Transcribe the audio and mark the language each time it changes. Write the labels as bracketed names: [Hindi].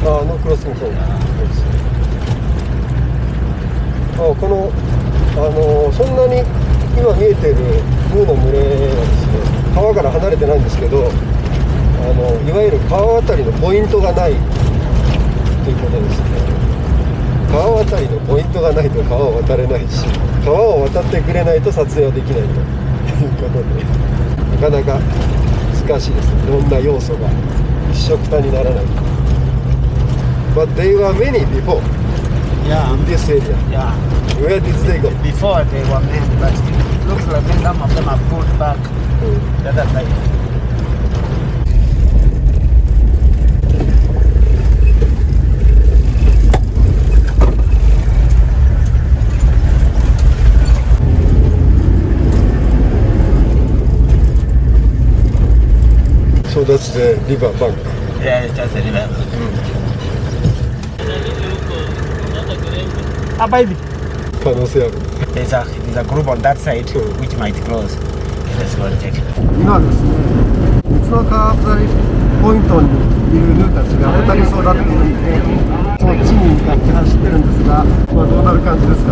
[English] Ah, no crossing point. Yeah. [Japanese] Ah, このそんなに今見えているヌーの群れはですね、川から離れてないんですけど、いわゆる川渡りのポイントがないということですね。川渡りのポイントがないと川を渡れないし、川を渡ってくれないと撮影はできないということで、なかなか難しいですね。いろんな要素が一緒くたにならない。 [English] But they were many before. Yeah. In this area. Yeah. Where did they go? Before they were many, but it looks like some of them have pulled back to the other side. So that's the river bank. Yeah, it's just the river. Ah, baby. There's a group on that side which might close. Let's go and check. [Japanese] 今ですね、三つの川渡りポイントにいるヌーたちが渡りそうだって言って、こっちに向かって走ってるんですが、どうなる感じですか。